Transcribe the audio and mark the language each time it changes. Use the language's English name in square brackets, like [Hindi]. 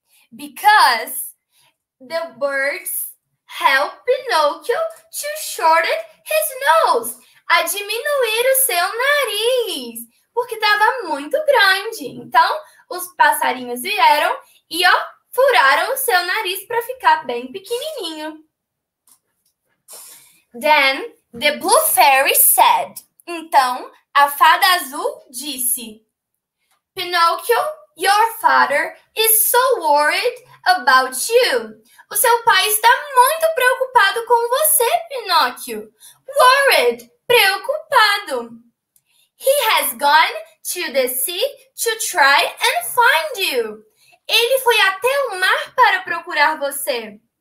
[English] Because the birds help Pinocchio to shorten his nose. [Portuguese] A diminuir o seu nariz. Porque estava muito grande. Então, os passarinhos vieram e, ó, furaram o seu nariz para ficar bem pequenininho. [English] Then, the blue fairy said. [Portuguese] Então, a fada azul disse. [English] Pinocchio, your father is so worried about you. [Portuguese] O seu pai está muito preocupado com você, Pinocchio. [English] Worried, preocupado. He has gone to the sea to try and find you. [Portuguese] Ele foi até o mar para procurar você.